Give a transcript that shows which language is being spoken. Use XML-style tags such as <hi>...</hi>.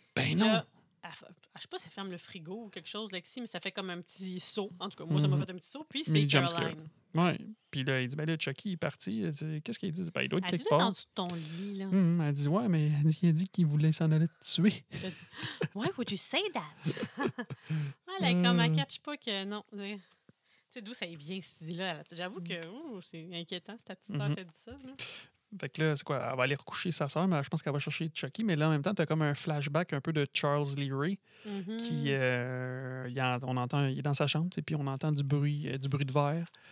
<fr>Ben non! Je sais pas si ça ferme le frigo ou quelque chose, Lexi, mais ça fait comme un petit saut. En tout cas, moi, ça m'a fait un petit saut. Puis c'est jumpscare. Ouais. Puis là, il dit, ben là, Chucky est parti. Dit, qu'est-ce qu'il dit? Ben, il doit être quelque part. Elle dit, là, dans ton lit, là. Elle dit, ouais, mais il a dit qu'il voulait s'en aller te tuer.</fr> <en>Why would you say that? Ah,</en> <fr>elle est comme, elle catch pas que non. Tu sais, d'où ça vient, cette idée-là? J'avoue que c'est inquiétant, si ta petite soeur t'a dit ça. Là. Fait que là, c'est quoi? Elle va aller recoucher sa soeur, mais je pense qu'elle va chercher Chucky. Mais là, en même temps, t'as comme un flashback un peu de Charles Leary. Il est dans sa chambre, puis on entend du bruit de verre.</fr>